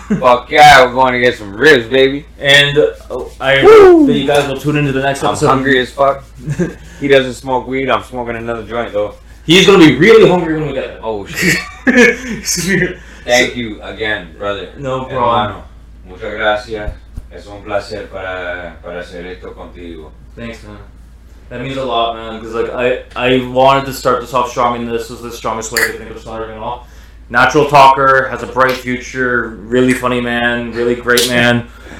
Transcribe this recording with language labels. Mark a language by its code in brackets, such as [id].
[en] Fuck yeah, we're going to get some ribs, baby. And I hope that you guys will tune into the next episode. I'm hungry as fuck. He doesn't smoke weed. I'm smoking another joint, though. He's going to be really hungry when we get there. Oh, shit. Thank you again, brother. No problem. Hermano, [es] muchas gracias. Es un placer para hacer esto contigo. [en] Thanks, man. That means a lot, man. Because, like, I wanted to start this off strong, and this is the strongest way to think of starting it off. Natural talker, has a bright future, really funny man, really great man.